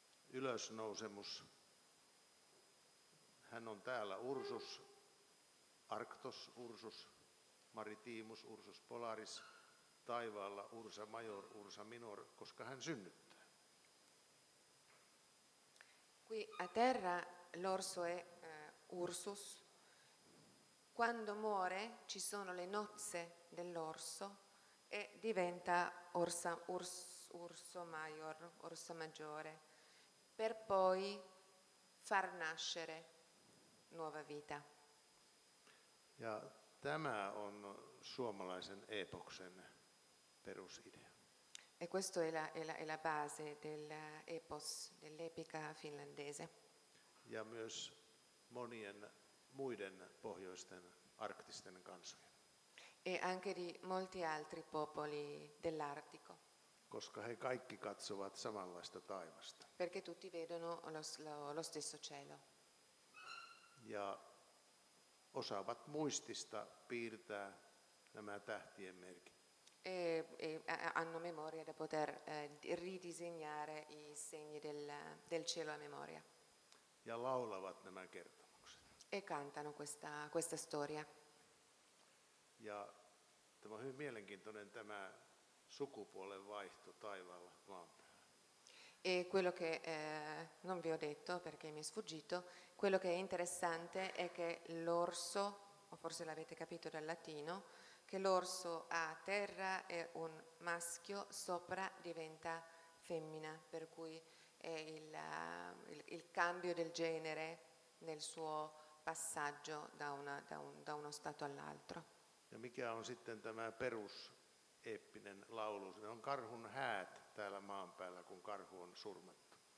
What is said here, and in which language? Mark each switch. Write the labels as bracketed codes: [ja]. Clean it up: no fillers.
[fi] Ylösnousemus, hän on täällä Ursus, Arctos Ursus, Maritimus Ursus Polaris, taivaalla Ursa Major, Ursa Minor, koska hän synnyttää. [it] Qui a terra l'orso è Ursus. Quando muore ci sono le nozze dell'orso e diventa Ursa Maggiore. Per poi far nascere nuova vita. [fi] Ja tämä on suomalaisen epoksen perusidea. [it] E questo è la base dell'epos, dell'epica finlandese. [fi] Ja myös monien muiden pohjoisten arktisten kansojen. [it] E anche di molti altri popoli dell'Artico. [fi] Koska he kaikki katsovat samanlaista taivasta. [it] Perché tutti vedono lo stesso cielo. [fi] Ja osaavat muistista piirtää nämä tähtien merkit. [it] E hanno memoria da poter ridisegnare i segni del cielo a memoria. [fi] Ja laulavat nämä kertomukset. [it] E cantano questa storia. [fi] Ja tämä on hyvin mielenkiintoinen tämä sukupuolen vaihto taivaalla maan päällä. [it] E quello che non vi ho detto perché mi è sfuggito, quello che è interessante è che l'orso, o forse l'avete capito dal latino, che l'orso a terra è un maschio, sopra diventa femmina, per cui è il cambio del genere nel suo passaggio da uno stato all'altro. [fi] Ja mikä on sitten tämä perus eeppinen laulu? Se on karhun häät täällä maan päällä, kun karhu on surmattu.